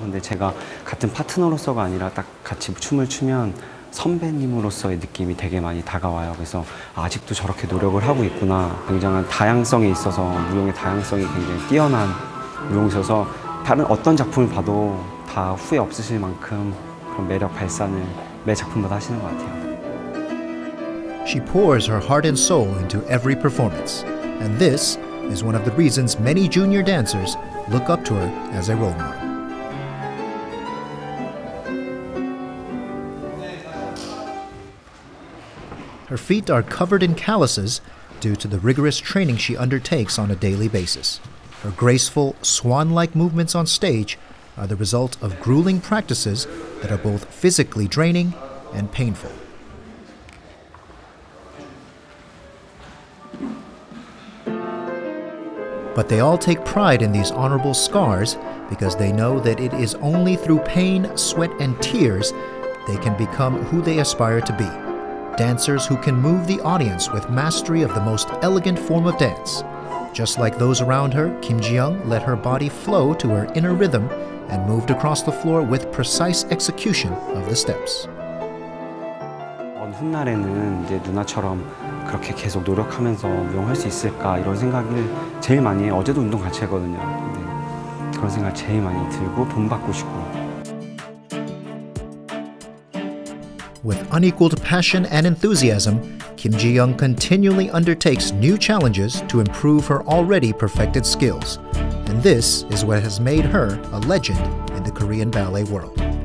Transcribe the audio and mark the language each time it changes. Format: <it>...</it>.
<ko>근데 제가 같은 파트너로서가 아니라 딱 같이 춤을 추면 선배님으로서의 느낌이 되게 많이 다가와요. 그래서 아직도 저렇게 노력을 하고 있구나. 굉장한 다양성에 있어서 무용의 다양성이 굉장히 뛰어난 무용이셔서 다른 어떤 작품을 봐도 다 후회 없으실 만큼 그런 매력 발산을 매 작품마다 하시는 것 같아요.</ko> <en>She pours her heart and soul into every performance. And this is one of the reasons many junior dancers look up to her as a role model. 네. Her feet are covered in calluses due to the rigorous training she undertakes on a daily basis. Her graceful, swan-like movements on stage are the result of grueling practices that are both physically draining and painful. But they all take pride in these honorable scars because they know that it is only through pain, sweat, and tears they can become who they aspire to be. Dancers who can move the audience with mastery of the most elegant form of dance. Just like those around her, Kim Ji-young let her body flow to her inner rhythm and moved across the floor with precise execution of the steps.</en> <ko>훗날에는 이제 누나처럼 그렇게 계속 노력하면서 무용할 수 있을까 이런 생각을 제일 많이 해요. 어제도 운동 같이 했거든요. 근데 그런 생각 제일 많이 들고 돈 받고 싶고.</ko> <en>With unequaled passion and enthusiasm, Kim Ji-young continually undertakes new challenges to improve her already perfected skills. And this is what has made her a legend in the Korean ballet world.</en>